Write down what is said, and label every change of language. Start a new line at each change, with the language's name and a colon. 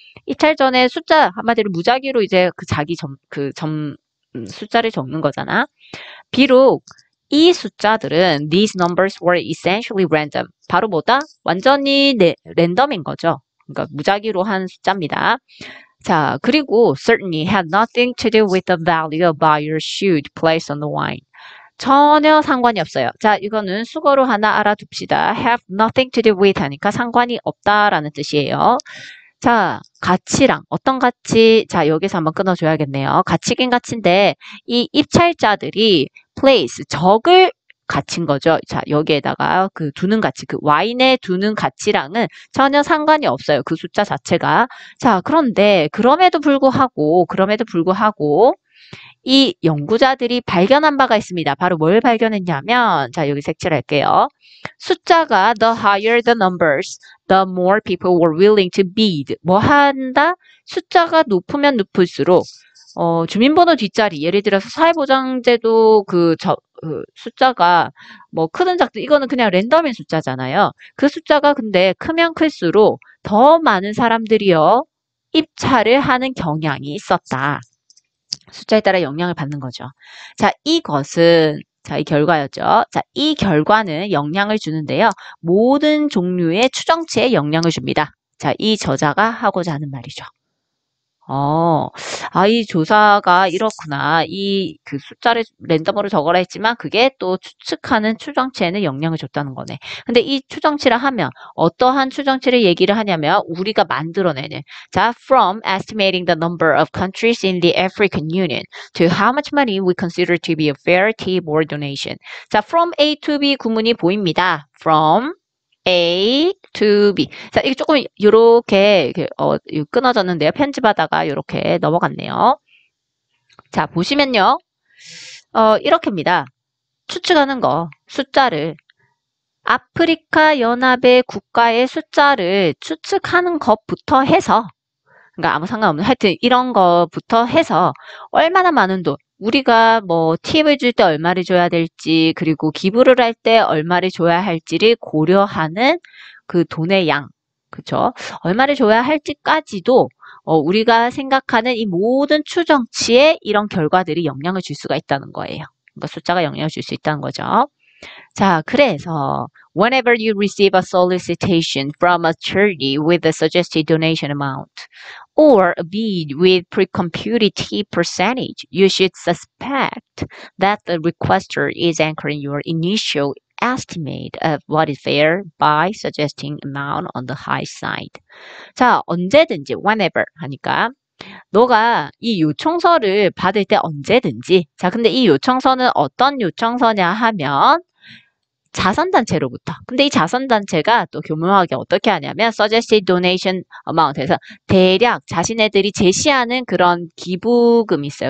Korean: 입찰 전에 숫자 한마디로 무작위로 이제 그 자기 점그점 숫자를 적는 거잖아. 비록 이 숫자들은
English: these numbers were essentially random.
Korean: 바로 뭐다? 완전히 랜덤인 거죠. 그러니까 무작위로 한 숫자입니다.
English: 자, 그리고 certainly had nothing to do with the value a buyer should place on the wine.
Korean: 전혀 상관이 없어요. 자, 이거는 수거로 하나 알아둡시다.
English: have nothing to do with
Korean: 하니까 상관이 없다라는 뜻이에요. 자, 가치랑, 어떤 가치, 자, 여기서 한번 끊어줘야겠네요. 가치긴 가치인데, 이 입찰자들이 place, 적을 가치인 거죠. 자, 여기에다가 그 두는 가치, 그 와인에 두는 가치랑은 전혀 상관이 없어요. 그 숫자 자체가. 자, 그런데, 그럼에도 불구하고, 이 연구자들이 발견한 바가 있습니다. 바로 뭘 발견했냐면, 자, 여기 색칠할게요. 숫자가
English: the higher the numbers, the more people were willing to bid.
Korean: 뭐 한다? 숫자가 높으면 높을수록, 주민번호 뒷자리, 예를 들어서 사회보장제도 숫자가 뭐 크든 작든, 이거는 그냥 랜덤인 숫자잖아요. 그 숫자가 근데 크면 클수록 더 많은 사람들이요, 입찰을 하는 경향이 있었다. 숫자에 따라 영향을 받는 거죠. 자, 이것은, 자, 이 결과였죠. 자, 이 결과는 영향을 주는데요. 모든 종류의 추정치에 영향을 줍니다. 자, 이 저자가 하고자 하는 말이죠. 이 조사가 이렇구나. 이그 숫자를 랜덤으로 적어라 했지만 그게 또 추측하는 추정치에는 영향을 줬다는 거네. 근데 이 추정치라 하면 어떠한 추정치를 얘기를 하냐면 우리가 만들어내는.
English: 자, from estimating the number of countries in the African Union to how much money we consider to be a fair tip or donation.
Korean: 자, from A to B 구문이 보입니다. From A to B. 자, 이게 조금 요렇게 끊어졌는데요. 편집하다가 요렇게 넘어갔네요. 자, 보시면요. 이렇게입니다. 추측하는 거, 숫자를 아프리카 연합의 국가의 숫자를 추측하는 것부터 해서, 그러니까 아무 상관없는 하여튼 이런 것부터 해서 얼마나 많은 돈. 우리가 뭐 팁을 줄때 얼마를 줘야 될지 그리고 기부를 할때 얼마를 줘야 할지를 고려하는 그 돈의 양, 그렇죠? 얼마를 줘야 할지까지도 우리가 생각하는 이 모든 추정치에 이런 결과들이 영향을 줄 수가 있다는 거예요. 그러니까 숫자가 영향을 줄수 있다는 거죠.
English: 자, 그래서 whenever you receive a solicitation from a charity with a suggested donation amount. Or a bid with pre-computed tip percentage, you should suspect that the requester is anchoring your initial estimate of what is fair by suggesting amount on the high side.
Korean: 자, 언제든지, whenever 하니까. 너가 이 요청서를 받을 때 언제든지. 자, 근데 이 요청서는 어떤 요청서냐 하면, 자선단체로부터. 근데 이 자선단체가 또 교묘하게 어떻게 하냐면
English: suggested donation amount
Korean: 에서 대략 자신네들이 제시하는 그런 기부금이 있어요.